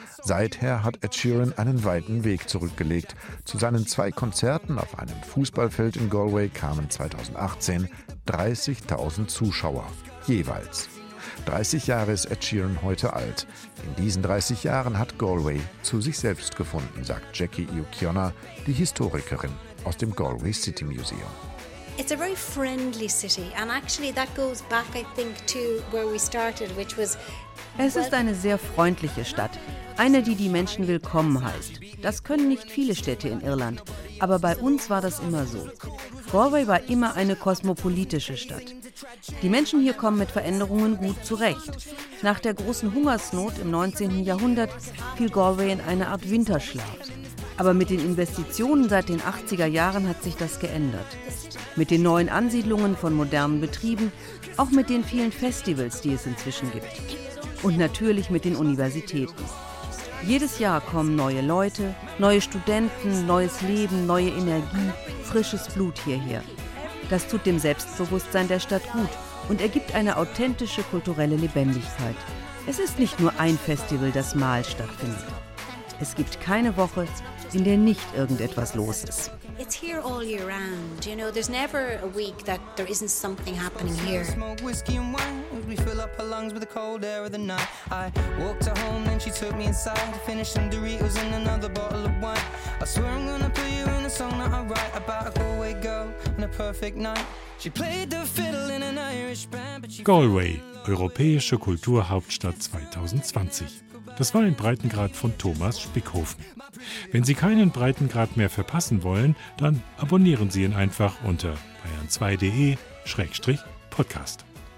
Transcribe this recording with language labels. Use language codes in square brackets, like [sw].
[de] Seither hat Ed Sheeran einen weiten Weg zurückgelegt. Zu seinen 2 Konzerten auf einem Fußballfeld in Galway kamen 2018 30.000 Zuschauer, jeweils. 30 Jahre ist Ed Sheeran heute alt. In diesen 30 Jahren hat Galway zu sich selbst gefunden, sagt Jackie O'Connor, die Historikerin aus dem Galway City Museum. [en] It's a very friendly city, and actually that goes back, I think, to where we started, which was. [de] Es ist eine sehr freundliche Stadt, eine, die die Menschen willkommen heißt. Das können nicht viele Städte in Irland, aber bei uns war das immer so. Galway war immer eine kosmopolitische Stadt. Die Menschen hier kommen mit Veränderungen gut zurecht. Nach der großen Hungersnot im 19. Jahrhundert fiel Galway in eine Art Winterschlaf. Aber mit den Investitionen seit den 80er Jahren hat sich das geändert. Mit den neuen Ansiedlungen von modernen Betrieben, auch mit den vielen Festivals, die es inzwischen gibt. Und natürlich mit den Universitäten. Jedes Jahr kommen neue Leute, neue Studenten, neues Leben, neue Energie, frisches Blut hierher. Das tut dem Selbstbewusstsein der Stadt gut und ergibt eine authentische kulturelle Lebendigkeit. Es ist nicht nur ein Festival, das mal stattfindet. Es gibt keine Woche, in der nicht irgendetwas los ist. [en] It's here all year round. You know, there's never a week that there isn't something happening here. Smoke whiskey and wine, we fill up her lungs with the cold air of the night. I walked her home, then she took me inside to finish some Doritos and another bottle of wine. I swear I'm gonna put you in a song that I write about a Galway girl and a perfect night. She played the fiddle in an Irish band, but she. [de] Galway, europäische Kulturhauptstadt 2020. Das war ein Breitengrad von Thomas Spickhofen. Wenn Sie keinen Breitengrad mehr verpassen wollen, dann abonnieren Sie ihn einfach unter bayern2.de/podcast.